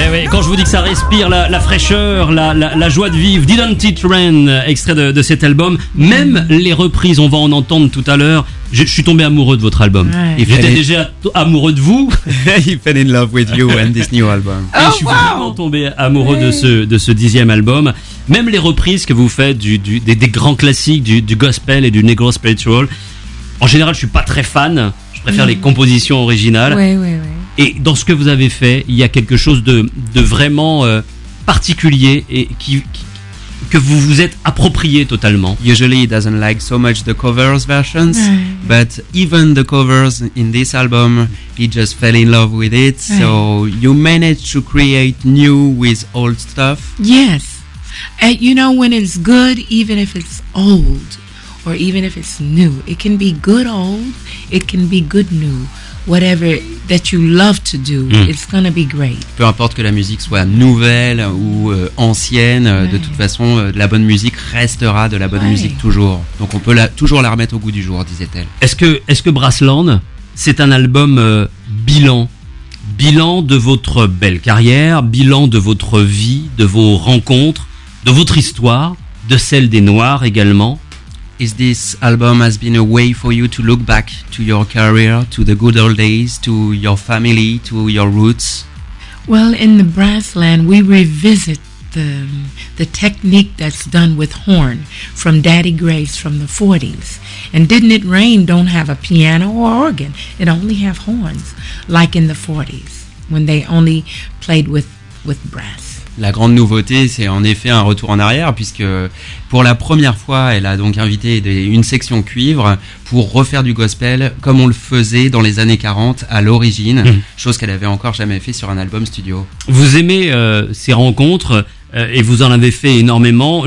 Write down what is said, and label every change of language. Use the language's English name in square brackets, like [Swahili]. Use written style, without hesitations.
[French] Quand je vous dis que ça respire la fraîcheur, la joie de vivre, Didn't It Rain, extrait de cet album, même les reprises, on va en entendre tout à l'heure. Je suis tombé amoureux de votre album. Ouais. J'étais déjà amoureux de vous. He fell in love with you and this new album. Oh, et je suis vraiment tombé amoureux de ce dixième album. Même les reprises que vous faites des grands classiques du gospel et du negro spiritual. En général, je suis pas très fan. Je préfère les compositions originales. Oui. Et dans ce que vous avez fait, il y a quelque chose de vraiment particulier et que vous vous êtes approprié totalement. [English] Usually he doesn't like so much the covers versions, but even the covers in this album, he just fell in love with it. So you managed to create new with old stuff. Yes. And you know, when it's good, even if it's old or even if it's new, it can be good old, it can be good new. Whatever that you love to do, it's gonna be great. [French] Peu importe que la musique soit nouvelle ou ancienne, de toute façon, la bonne musique restera de la bonne musique toujours. Donc on peut toujours la remettre au goût du jour, disait-elle. Est-ce que Brassland, c'est un album bilan de votre belle carrière, bilan de votre vie, de vos rencontres, de votre histoire, de celle des Noirs également? [English] Is this album has been a way for you to look back to your career, to the good old days, to your family, to your roots? Well, in the Brassland, we revisit the technique that's done with horn from Daddy Grace from the 40s. And Didn't It Rain don't have a piano or organ. It only have horns, like in the 40s, when they only played with brass. [French] La grande nouveauté, c'est en effet un retour en arrière, puisque pour la première fois, elle a donc invité une section cuivre pour refaire du gospel comme on le faisait dans les années 40 à l'origine, chose qu'elle avait encore jamais fait sur un album studio. Vous aimez ces rencontres et vous en avez fait énormément.